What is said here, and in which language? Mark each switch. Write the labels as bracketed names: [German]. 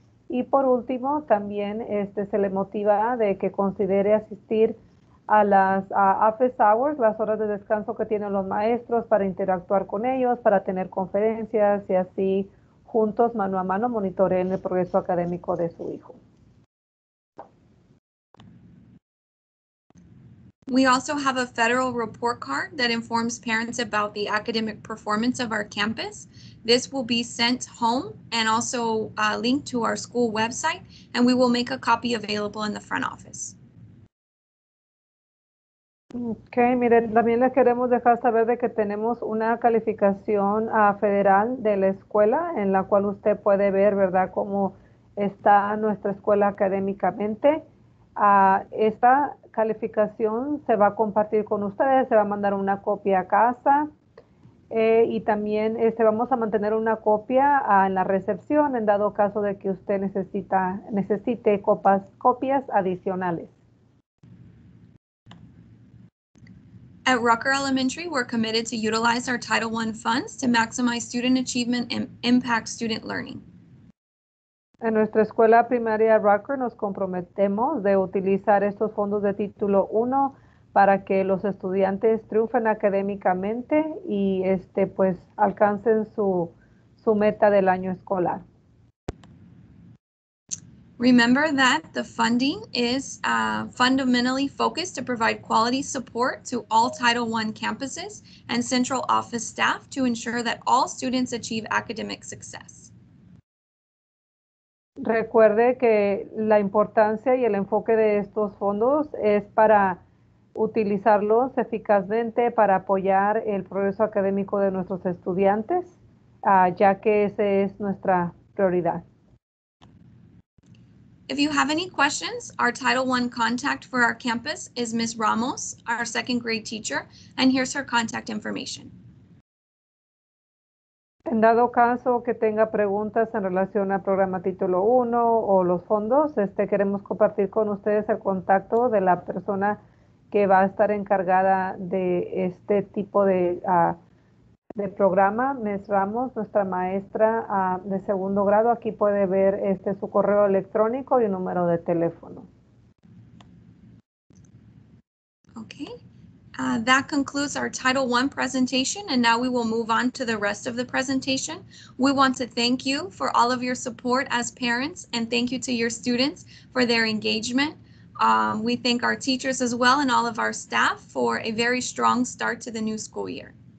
[Spanish] Y por último, también se le motiva de que considere asistir a las office hours, las horas de descanso que tienen los maestros para interactuar con ellos, para tener conferencias y así juntos, mano a mano, monitoreen el progreso académico de su hijo. [English] We also have a federal report card that informs parents about the academic performance of our campus. This will be sent home and also linked to our school website, and we will make a copy available in the front office. [Spanish] Okay, miren, también les queremos dejar saber de que tenemos una calificación federal de la escuela en la cual usted puede ver, ¿verdad?, cómo está nuestra escuela académicamente. Esta calificación se va a compartir con ustedes, se va a mandar una copia a casa y también vamos a mantener una copia en la recepción en dado caso de que usted necesite copias adicionales. [English] At Rucker Elementary, we're committed to utilize our Title I funds to maximize student achievement and impact student learning. [Spanish] En nuestra escuela primaria Rucker nos comprometemos de utilizar estos fondos de título 1 para que los estudiantes triunfen académicamente y pues alcancen su meta del año escolar. [English] Remember that the funding is fundamentally focused to provide quality support to all Title I campuses and central office staff to ensure that all students achieve academic success. [Spanish] Recuerde que la importancia y el enfoque de estos fondos es para utilizarlos eficazmente para apoyar el progreso académico de nuestros estudiantes, ya que esa es nuestra prioridad. [English] If you have any questions, our Title I contact for our campus is Ms. Ramos, our second grade teacher, and here's her contact information. [Spanish] En dado caso que tenga preguntas en relación al programa Título 1 o los fondos, queremos compartir con ustedes el contacto de la persona que va a estar encargada de este tipo de programa, Ms. Ramos, nuestra maestra de segundo grado. Aquí puede ver su correo electrónico y un número de teléfono. [English] Okay. That concludes our Title I presentation, and now we will move on to the rest of the presentation. We want to thank you for all of your support as parents, and thank you to your students for their engagement. We thank our teachers as well and all of our staff for a very strong start to the new school year.